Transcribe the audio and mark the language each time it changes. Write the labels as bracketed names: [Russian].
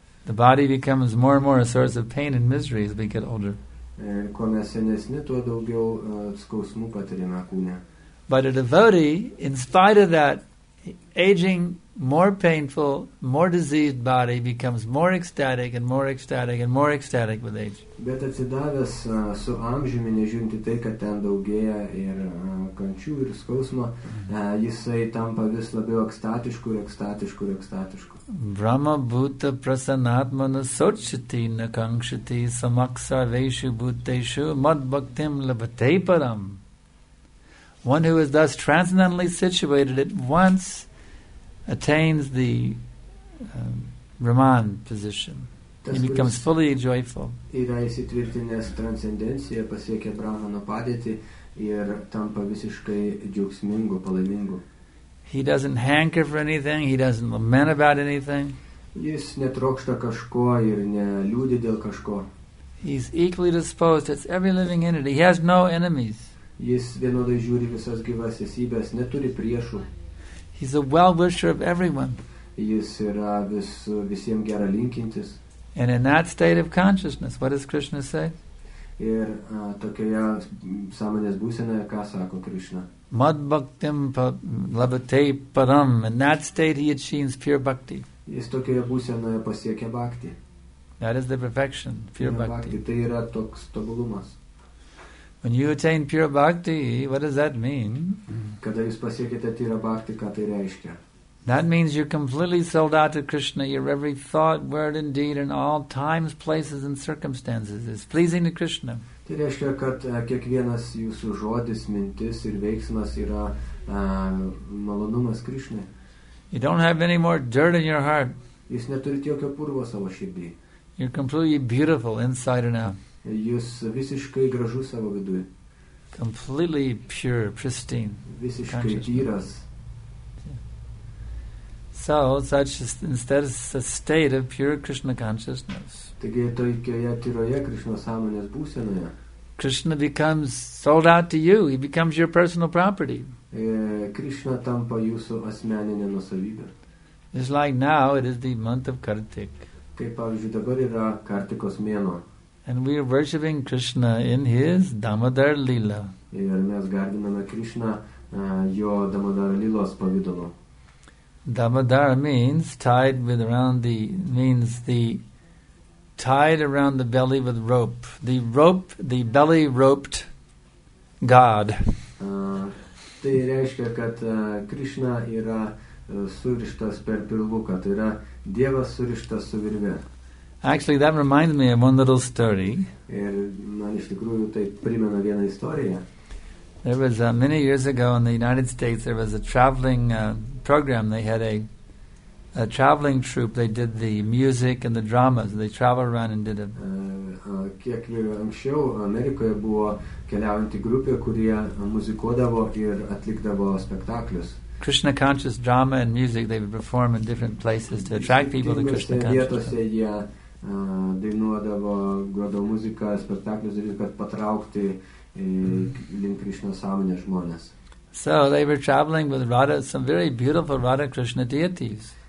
[English] The body becomes more and more a source of pain and misery as we get older. [Lithuanian] Kuo mes senesni, tuo daugiau skausmų patiriame kūne. [English] But a devotee, in spite of that, aging more painful, more diseased body becomes more ecstatic and more ecstatic and more ecstatic with age. [Lithuanian] Bet atsidavęs su amžiumi, nežiūrinti tai, kad ten daugėja ir kančių ir skausmo, jisai tampa vis labiau ekstatišku ir ekstatišku ir ekstatišku. [Sanskrit] Brahma bhuta prasanatmana sochiti nakankshiti samaksa veshu bhuteshu mad bhaktim labhate param. [English] One who is thus transcendentally situated at once attains the Brahman position. [Lithuanian] Tas, [English] he becomes fully joyful. [Lithuanian] Yra įsitvirtinęs transcendenciją, pasiekia Brahmano padėtį ir tampa visiškai džiaugsmingu, palaimingu. [English] He doesn't hanker for anything, he doesn't lament about anything. [Lithuanian] Jis netrokšta kažko ir neliūdi dėl kažko. [English] He's equally disposed as every living entity. He has no enemies. [Lithuanian] Jis vienodai žiūri visas gyvas esybės, neturi priešų. [English] He's a well-wisher of everyone. [Lithuanian] Jis yra visiem gera linkintis. [English] And in that state of consciousness, what does Krishna say? [Lithuanian] Ir tokioje sąmonės būsenoje, ką sako Krishna? [Sanskrit] Mad bhaktim labate param. [English] In that state he achieves pure bhakti. [Lithuanian] Jis tokioje būsenoje pasiekia bhakti. [English] That is the perfection, pure bhakti. [Lithuanian] Tai yra toks tobulumas. [English] When you attain pure bhakti, what does that mean? [Lithuanian] Kada jūs pasiekite tyrą bhakti, ką tai reiškia? [English] That means you're completely sold out to Krishna. Your every thought, word and deed in all times, places and circumstances is pleasing to Krishna. [Lithuanian] Tai reiškia, kad kiekvienas jūsų žodis, mintis ir veiksmas yra malonumas Krishna. [English] You don't have any more dirt in your heart. [Lithuanian] Jūs neturite jokio purvo savo širdy. [English] You're completely beautiful inside and out. [Lithuanian] Jūs visiškai gražus savo viduje. [English] Completely pure, pristine. [Lithuanian] Visiškai tyras. [English] So, such is instead a state of pure Krishna consciousness. [Lithuanian] Taigi, tokioje tyroje Krishna sąmonės būsenoje. [English] Krishna becomes sold out to you. He becomes your personal property. [Lithuanian] Krishna tampa jūsų asmeninė nuosavybė. [English] It's like now, it is the month of Kartik. [Lithuanian] Kaip, pavyzdžiui, dabar yra Kartikos mėno. [English] And we are worshipping Krishna in his Damodar Lila. [Lithuanian] Ir mes garbiname Krishna jo Damodar Lilos pavidalu. [English] Damodar means tied with around the means the tied around the belly with rope. The rope, the belly roped God. [Lithuanian] Tai reiškia, kad Krishna yra surištas per pilvuką, tai yra Dievas surištas su virve. [English] Actually, that reminds me of one little story. [Lithuanian] Ir man iš tikrųjų tai primena vieną istoriją. [English] There was many years ago in the United States, there was a traveling program. They had a a traveling troupe, they did the music and the dramas. They traveled around and did it. [Lithuanian] Kiek anksčiau Amerikoje buvo keliaujanti grupė, kurie muzikuodavo ir atlikdavo spektaklius. [English] Krishna conscious drama and music they would perform in different places to attract people to Krishna consciousness. So they were traveling with Radha, some very beautiful Radha Krishna deities.